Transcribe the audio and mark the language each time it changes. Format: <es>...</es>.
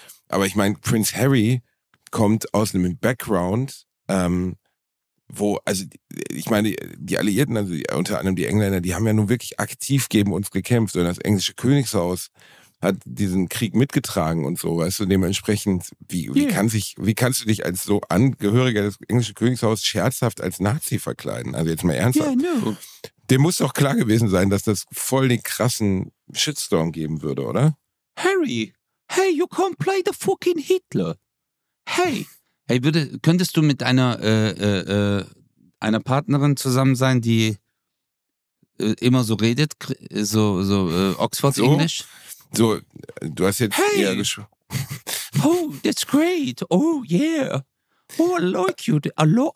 <de>Aber ich meine, Prince Harry kommt aus einem Background, wo, also ich meine, die Alliierten, also unter anderem die Engländer, die haben ja nun wirklich aktiv gegen uns gekämpft und das englische Königshaus hat diesen Krieg mitgetragen und so, weißt du, dementsprechend, wie kannst du dich als so Angehöriger des englischen Königshauses scherzhaft als Nazi verkleiden? Also jetzt mal ernsthaft.</de> <en>Yeah, no.</en> <de>Dem muss doch klar gewesen sein, dass das voll den krassen Shitstorm geben würde, oder?</de> <en>Harry, hey, you can't play the fucking Hitler.</en> <de>Hey, könntest du mit einer Partnerin zusammen sein, die immer so redet, so Oxford-Englisch? So, du hast jetzt hey. Eher gesprochen.</de> <en>Oh, that's great. Oh, yeah. Oh, I like you. A lot.</en>